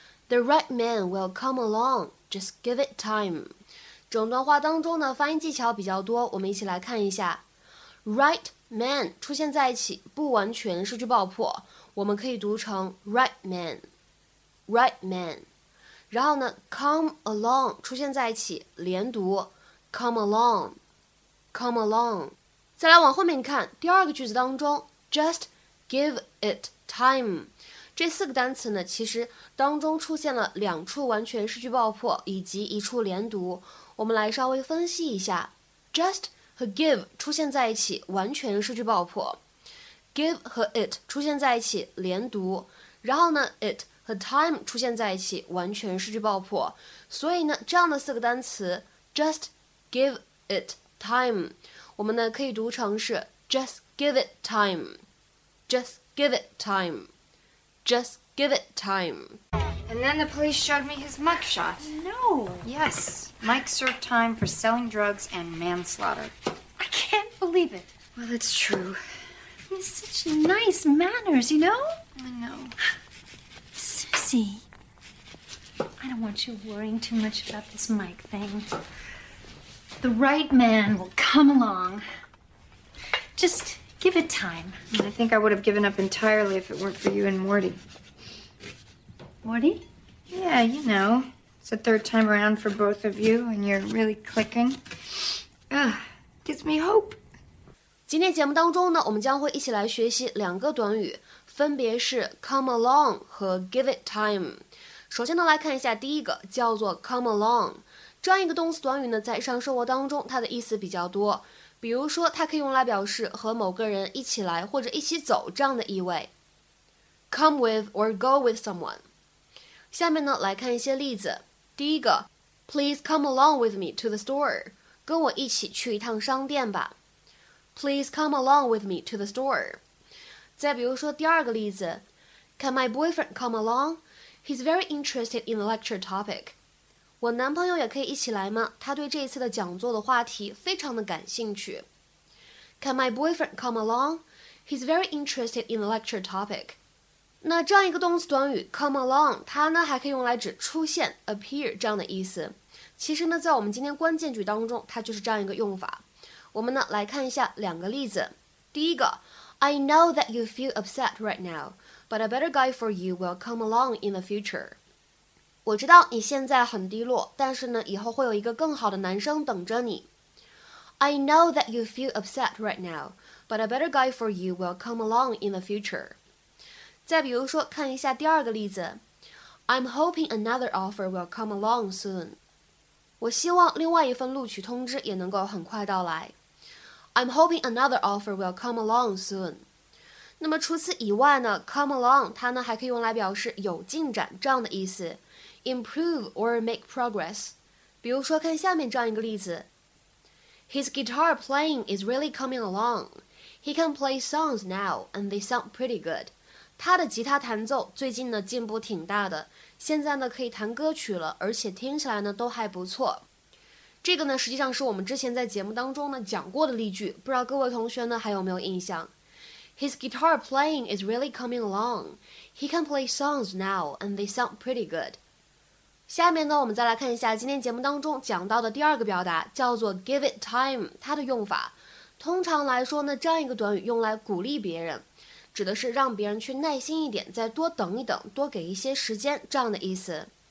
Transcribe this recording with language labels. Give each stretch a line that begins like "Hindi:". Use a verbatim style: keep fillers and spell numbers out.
English: The right man will come along. Just give it time.
Chinese: 整段话当中呢，发音技巧比较多，我们一起来看一下。 Right man 出现在一起，不完全失去爆破，我们可以读成
English: right man, right man。
Chinese: 然后呢 ，come along 出现在一起，连读
English: come along, come along。
Chinese: 再来往后面看，第二个句子当中 ，
English: just give it time。
Chinese: 这四个单词呢，其实当中出现了两处完全失去爆破以及一处连读，我们来稍微分析一下。 Just 和 give 出现在一起，完全失去爆破。 Give 和 it 出现在一起，连读。然后呢 it 和 time 出现在一起，完全失去爆破。所以呢，这样的四个单词
English: Just give it time
Chinese: 我们呢可以读成是
English: Just give it time, Just give it time,Just give it time. And then the police showed me his mugshot. No. Yes. Mike served time for selling drugs and manslaughter. I can't believe it. Well, it's true. He has such nice manners, you know? I know. Susie, I don't want you worrying too much about this Mike thing. The right man will come along. Just... Give it time. I think I would have given up entirely if it weren't for you and Morty. Morty? Yeah, you know. It's the third time around for both of you, and you're really clicking. Ugh, gives me hope.
Chinese: 今天节目当中呢，我们将会一起来学习两个短语，分别是 come along 和 give it time。首先呢，来看一下第一个，叫做 come along。这样一个动词短语呢，在日常生活当中，它的意思比较多。比如说，它可以用来表示和某个人一起来或者一起走这样的意味。
English: Come with or go with someone。
Chinese: 下面呢，来看一些例子。第一个
English: ，Please come along with me to the store。
Chinese: 跟我一起去一趟商店吧。
English: Please come along with me to the store。
Chinese: 再比如说第二个例子
English: ，Can my boyfriend come along? He's very interested in the lecture topic.
Chinese: 我男朋友也可以一起来吗？他对这一次的讲座的话题非常的感兴趣。
English: Can my boyfriend come along? He's very interested in the lecture topic.
Chinese: 那这样一个动词短语 come along， 它呢还可以用来指出现 appear 这样的意思。其实呢，在我们今天关键句当中，它就是这样一个用法。我们呢来看一下两个例子。第一个
English: ，I know that you feel upset right now, but a better guy for you will come along in the future.
Chinese: 我知道你现在很低落，但是呢，以后会有一个更好的男生等着你。
English: I know that you feel upset right now, but a better guy for you will come along in the future.
Chinese: 再比如说，看一下第二个例子。
English: I'm hoping another offer will come along soon.
Chinese: 我希望另外一份录取通知也能够很快到来。
English: I'm hoping another offer will come along soon.
Chinese: 那么除此以外呢 ，come along 它呢还可以用来表示有进展这样的意思 ，
English: improve or make progress。
Chinese: 比如说看下面这样一个例子
English: ，His guitar playing is really coming along. He can play songs now and they sound pretty good.
Chinese: 他的吉他弹奏最近呢进步挺大的，现在呢可以弹歌曲了，而且听起来呢都还不错。这个呢实际上是我们之前在节目当中呢讲过的例句，不知道各位同学呢还有没有印象？
English: His guitar playing is really coming along. He can play songs now, and they sound pretty good.
Chinese: 下面呢，我们再来看一下今天节目当中讲到的第二个表达，叫做 give it time， 它的用法。通常来说呢，这样一个短语用来鼓励别人，指的是让别人去耐心一点，再多等一等，多给一些时间，这样的意思。